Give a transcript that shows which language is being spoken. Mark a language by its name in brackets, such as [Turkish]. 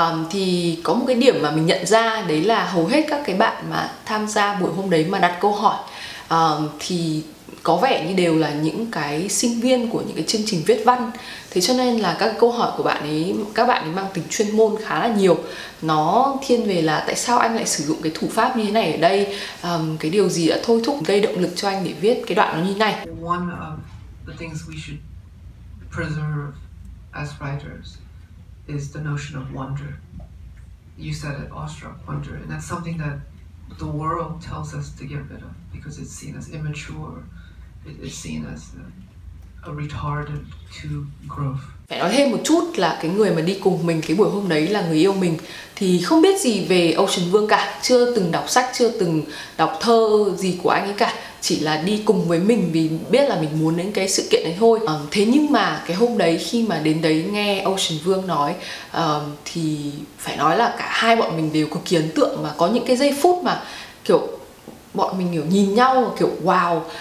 [Vietnamese] Thì có một cái điểm mà mình nhận ra, đấy là hầu hết các cái bạn mà tham gia buổi hôm đấy mà đặt câu hỏi thì có vẻ như đều là những cái sinh viên của những cái chương trình viết văn. Thế cho nên là các câu hỏi của bạn ấy, các bạn ấy mang tính chuyên môn khá là nhiều. Nó thiên về là tại sao anh lại sử dụng cái thủ pháp như thế này ở đây, cái điều gì đã thôi thúc gây động lực cho anh để viết cái đoạn nó như này. [English] One of the things we should preserve as writers is the notion of wonder. You said it, awestruck wonder, and that's something that the world tells us to get rid of because it's seen as immature, it's seen as a retardant to growth. [Vietnamese] Phải nói thêm một chút là cái người mà đi cùng mình cái buổi hôm đấy là người yêu mình thì không biết gì về Ocean Vương cả, chưa từng đọc sách, chưa từng đọc thơ gì của anh ấy cả, chỉ là đi cùng với mình vì biết là mình muốn đến cái sự kiện đấy thôi. Thế nhưng mà cái hôm đấy khi mà đến đấy nghe Ocean Vương nói thì phải nói là cả hai bọn mình đều cực kỳ ấn tượng, mà có những cái giây phút mà kiểu bọn mình kiểu nhìn nhau kiểu wow,